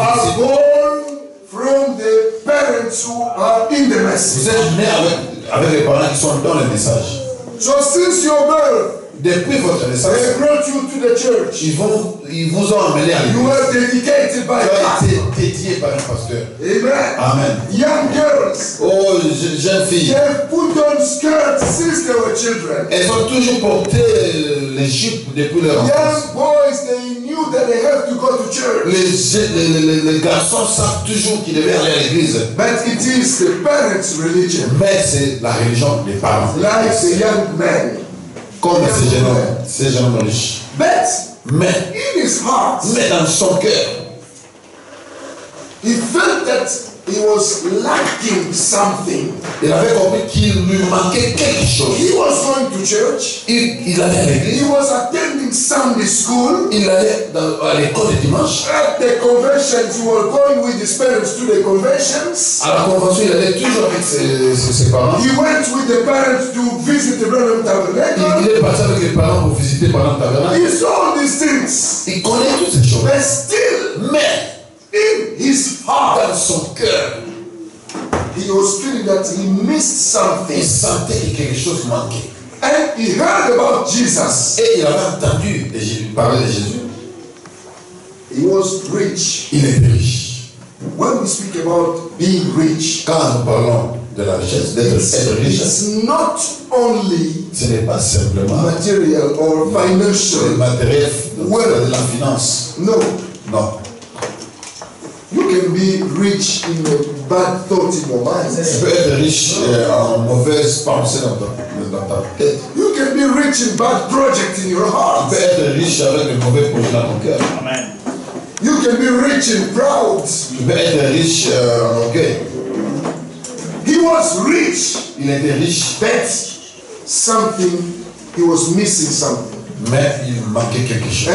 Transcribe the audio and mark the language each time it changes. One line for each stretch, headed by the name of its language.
English: are born from the parents who are in the message.
French: Vous êtes nés avec les parents qui sont dans le message.
English: So since your birth,
French: depuis votre naissance,
English: they brought you to the church.
French: Ils vous ont emmené à l'église. Tu as été dédié par un pasteur. Amen. Amen.
English: Young girls,
French: oh, jeunes filles,
English: they put on skirts since they were children.
French: Elles ont toujours porté les jupes depuis leur enfance.
English: Young boys, they knew that they have to go to church.
French: Les garçons savent toujours qu'ils devaient aller à l'église.
English: But it is the parents' religion.
French: Mais c'est la religion des parents.
English: Like the young man.
French: Comme ces jeunes hommes riches. Mais
English: in his heart,
French: mais dans son cœur,
English: he felt that he was lacking something.
French: Il avait compris qu'il lui manquait quelque chose.
English: He was going to church.
French: Il allait à l'église.
English: He was attending Sunday school.
French: Il allait à l'école de dimanche.
English: At the conventions, he was going with his parents to the conventions.
French: À la convention, il allait toujours avec ses parents.
English: He went with the parents to visit the Brandon Tabernacle.
French: Il est parti avec les parents pour visiter Brandon Tabernacle.
English: He saw these things.
French: Il connaît toutes ces choses.
English: But still,
French: mais
English: in his heart,
French: dans son cœur,
English: he was feeling that he missed something.
French: Il sentait que quelque chose manquait.
English: And he heard about Jesus.
French: Et il avait entendu de Jésus, parler de Jésus.
English: He was rich.
French: Il était riche.
English: When we speak about being rich,
French: quand nous parlons de la richesse, d'être riche,
English: it's not only
French: ce n'est pas simplement
English: material or financial,
French: le matériel,
English: wealth,
French: de la finance.
English: No.
French: Non.
English: You can be rich in a bad thought in your mind.
French: Tu peux être riche en mauvaise pensée dans ta tête.
English: You can be rich in bad project in your heart.
French: Tu peux être riche avec un mauvais projet dans ton cœur. Amen.
English: You can be rich in proud.
French: Tu peux être riche en orgueil.
English: He was rich.
French: Il était riche.
English: But something, he was missing something.
French: Mais il manquait quelque chose.